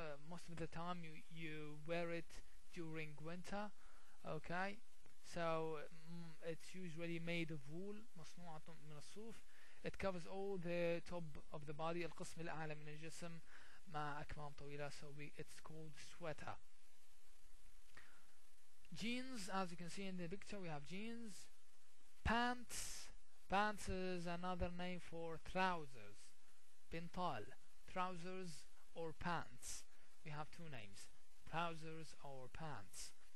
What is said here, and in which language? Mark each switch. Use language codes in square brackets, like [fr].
[en] Most of the time you wear it during winter. Okay, so it's usually made of wool. [ar] مصنوعة من الصوف. [en] It covers all the top of the body. [ar] القسم الأعلى من الجسم مع أكمام طويلة. [en] So it's called sweater. Jeans, as you can see in the picture, we have jeans. Pants is another name for trousers. Bintal, trousers or pants. We have two names, trousers or pants.